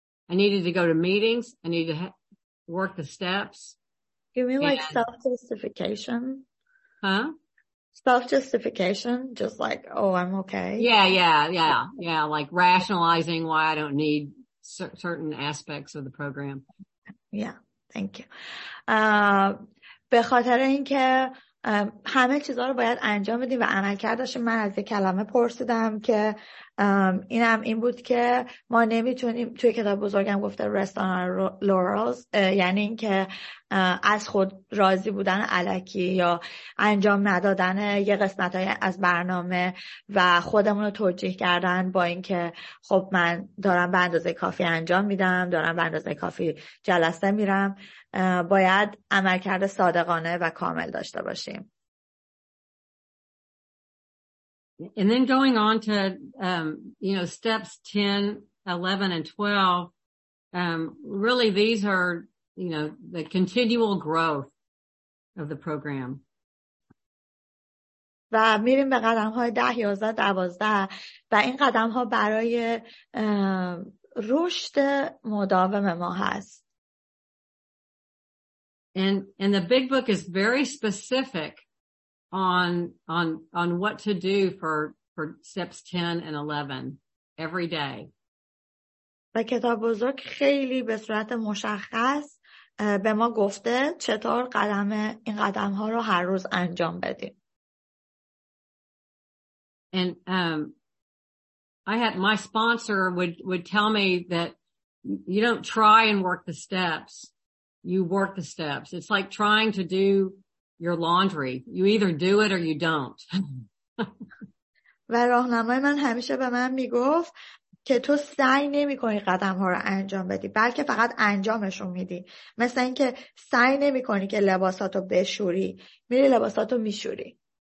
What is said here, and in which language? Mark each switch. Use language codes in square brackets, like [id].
[en] I needed to go to meetings. I needed to work the steps. You mean like self-justification? Huh? Self-justification, just like, oh, I'm okay. Yeah. Like rationalizing why I don't need certain aspects of the program. Yeah, thank you. [fa] به خاطر اینکه همه چیزها رو باید انجام بدیم و عمل کرداش، من از یک کلمه پرسیدم که اینم این بود که ما نمیتونیم، توی کتاب بزرگم گفته [en] rest on our laurels، [fa] یعنی این که از خود راضی بودن الکی یا انجام ندادن یه قسمت های از برنامه و خودمون رو توجیه کردن با اینکه خب من دارم به اندازه کافی انجام میدم، دارم به اندازه کافی جلسه میرم، باید عملکرد صادقانه و کامل داشته باشیم. [en] And then going on to you know, steps 10, 11 and 12, really these are, you know, the continual growth of the program. [fa] و میریم به قدم های 10, 11, 12 و این قدم ها برای رشد مداوم ما هست. [en] And the big book is very specific on what to do for steps 10 and 11 every day. [fa] و کتاب بزرگ خیلی به صورت مشخص به ما گفته چطور قدم این قدم ها رو هر روز انجام بدیم. [en] And I had my sponsor would tell me that you don't try and work the steps. You work the steps. It's like trying to do your laundry. You either do it or you don't. [fa] و راهنمای من همیشه به من میگفت که تو سعی نمی‌کنی قدم‌ها رو انجام بدی، بلکه فقط انجامشون میدی. مثل اینکه سعی نمی‌کنی که لباساتو بشوری، میری لباساتو میشوری.